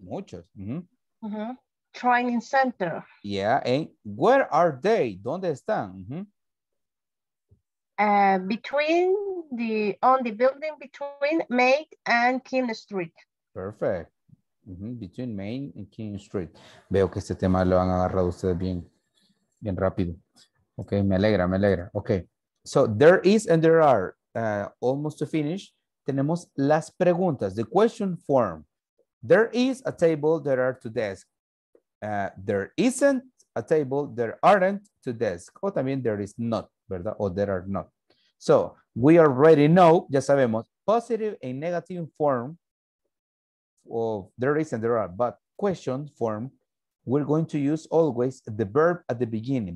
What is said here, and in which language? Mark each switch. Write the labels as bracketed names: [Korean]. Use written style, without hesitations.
[English] Mm-hmm. Mm-hmm. Training center. Yeah, and where are they? [Spanish] ¿Dónde están? [English] Mm-hmm. Between the on the building between Main and King Street. Perfect. Mm-hmm. Between Main and King Street. [Spanish] Veo que este tema lo han agarrado ustedes bien, bien rápido. Okay, me alegra, me alegra. Okay. [English] So there is and there are almost to finish. [Spanish] Tenemos las preguntas, [English] the question form. There is a table, there are two desks. There isn't a table, there aren't two desks. [Spanish] O también [English] there is not, ¿verdad? O there are not. So, we already know, [Spanish] ya sabemos, [English] positive and negative form of there is and there are, but question form, we're going to use always the verb at the beginning.